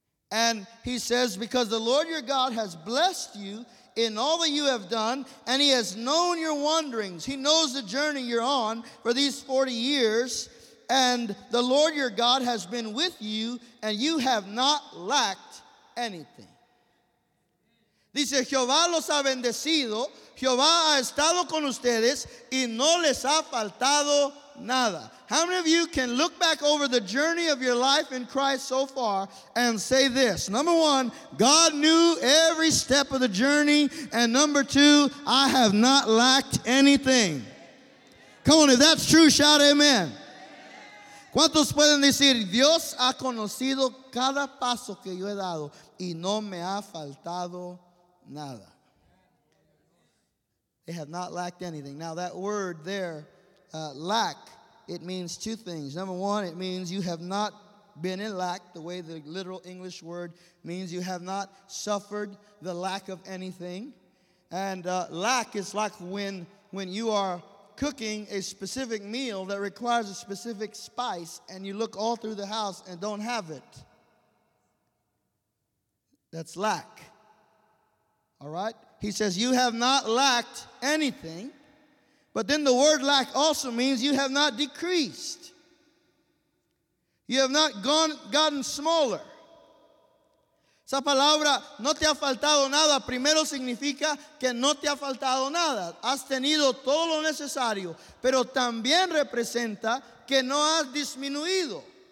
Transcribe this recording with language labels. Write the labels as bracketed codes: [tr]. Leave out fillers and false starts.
[en] And he says, because the Lord your God has blessed you in all that you have done, and he has known your wanderings. He knows the journey you're on for these 40 years, and the Lord your God has been with you, and you have not lacked anything. [es] Dice, Jehová los ha bendecido, Jehová ha estado con ustedes, y no les ha faltado nada. [en] How many of you can look back over the journey of your life in Christ so far and say this? Number one, God knew every step of the journey. And number two, I have not lacked anything. Come on, if that's true, shout amen. [es] ¿Cuántos pueden decir, Dios ha conocido cada paso que yo he dado, y no me ha faltado nada? Nada. [en] They have not lacked anything. Now that word there, lack, it means two things. Number one, it means you have not been in lack, the way the literal English word means you have not suffered the lack of anything. And lack is like when you are cooking a specific meal that requires a specific spice and you look all through the house and don't have it. That's lack. All right? He says, you have not lacked anything. But then the word lack also means you have not decreased. You have not gotten smaller. [es] Esa palabra, no te ha faltado nada, primero significa que no te ha faltado nada. Has tenido todo lo necesario, pero también representa que no has disminuido.